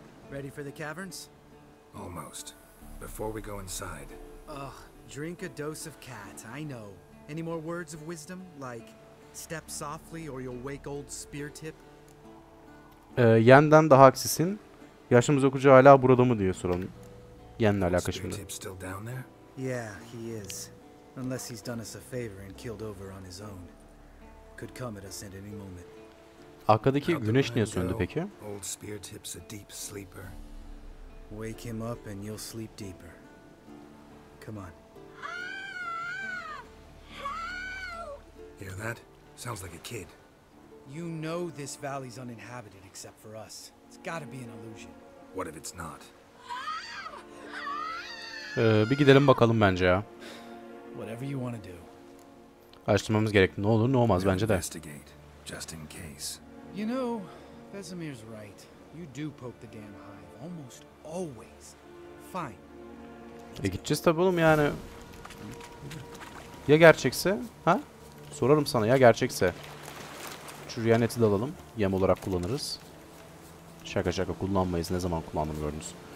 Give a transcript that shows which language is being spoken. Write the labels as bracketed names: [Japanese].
[English] Ready for the caverns? Almost. Before we go inside. Ugh, drink a dose of cat, I know. Any more words of wisdom? Like, step softly or you'll wake old spear tip? [Turkish] Yen'den daha aksisin. Yaşlımız okucu hala burada mı diye soralım. Yen'le alakası mı? [English] Spear tip still down there? Yeah, he is. Unless he's done us a favor and killed over on his own. Could come at us at any moment. [Turkish] Arkadaki güneş niye söndü peki? [English] Old spear tip's a deep sleeper. Wake him up and you'll sleep deeper. Come on. Hear that? Sounds like a kid. You know this valley's uninhabited except for us. It's gotta be an illusion. What if it's not? [Turkish] Bir gidelim bakalım bence ya. [English] Whatever you want to do. [Turkish] Araştırmamız gerek. Ne olur ne olmaz bence de. [English] Investigate, just in case. You know, Vesemir's right. You do poke the damn hive almost always. Fine. [Turkish] E gideceğiz tabii oğlum yani. Ya gerçekse? Ha? Sorarım sana ya gerçekse. Şuraya neti de alalım. Yem olarak kullanırız. Şaka şaka kullanmayız. Ne zaman kullandım gördünüz.